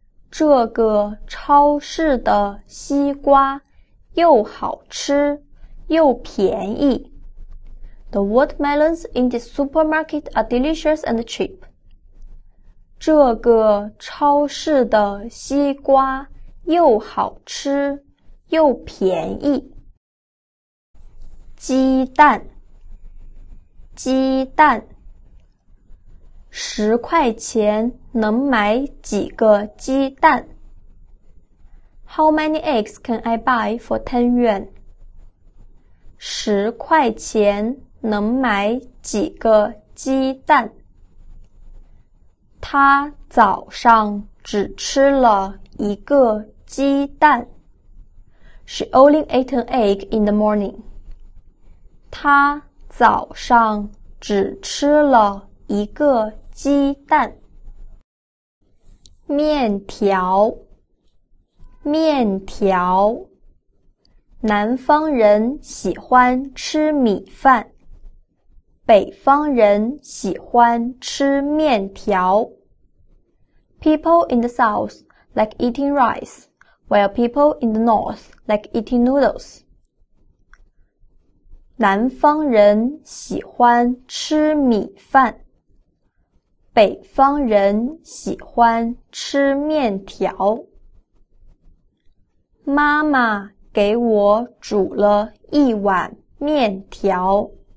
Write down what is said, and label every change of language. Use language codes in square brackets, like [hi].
[zh] 这个超市的西瓜又好吃又便宜。 [en] The watermelons in the supermarket are delicious and cheap. [zh] 这个超市的西瓜又好吃又便宜。鸡蛋，鸡蛋。 10块钱能买几个鸡蛋？ [en] How many eggs can I buy for 10 yuan? [zh] 10块钱能买几个鸡蛋？他早上只吃了一个鸡蛋。 [en] She only ate an egg in the morning. [zh] 他早上只吃了一个鸡蛋。面条，面条。南方人喜欢吃米饭，北方人喜欢吃面条。 [en] People in the south like eating rice, while people in the north like eating noodles. [zh] 南方人喜欢吃米饭，北方人喜欢吃面条。妈妈给我煮了一碗面条。